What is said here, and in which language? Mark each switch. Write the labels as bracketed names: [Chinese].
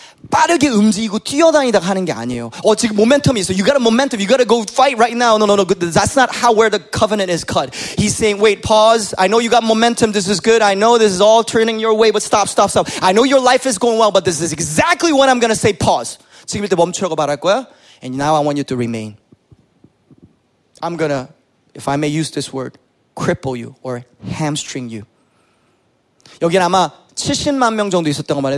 [Korean] 빠르게 움직이고 뛰어다니다가 하는 게 아니에요. 어, 지금 모멘텀이 있어. [English] You got a momentum. You got to go fight right now. No, no, no. That's not how where the covenant is cut. He's saying, wait, pause. I know you got momentum. This is good. I know this is all turning your way, but stop, stop, stop. I know your life is going well, but this is exactly what I'm going to say. Pause. [Korean] 지금 이때 멈추라고 말할 거야. [English] And now I want you to remain. I'm going to, if I may use this word, cripple you or hamstring you. [Korean] 여긴 아마 70만 명 정도 있었던 거 말이에요.